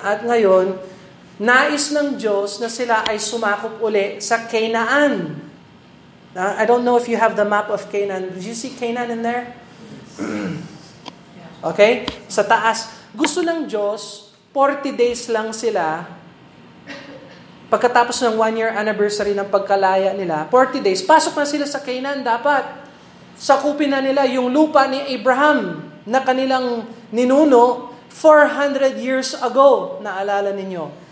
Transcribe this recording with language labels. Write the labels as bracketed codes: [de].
[tl] At ngayon, nais ng Diyos na sila ay sumakop uli sa Canaan. [en] I don't know if you have the map of Canaan. Did you see Canaan in there? [tl] Okay? Sa taas. Gusto ng Diyos, 40 days lang sila, pagkatapos ng 1 year anniversary ng pagkalaya nila, 40 days, pasok na sila sa Canaan dapat. Sakupin na nila yung lupa ni Abraham na kanilang ninuno 400 years ago, naalala ninyo.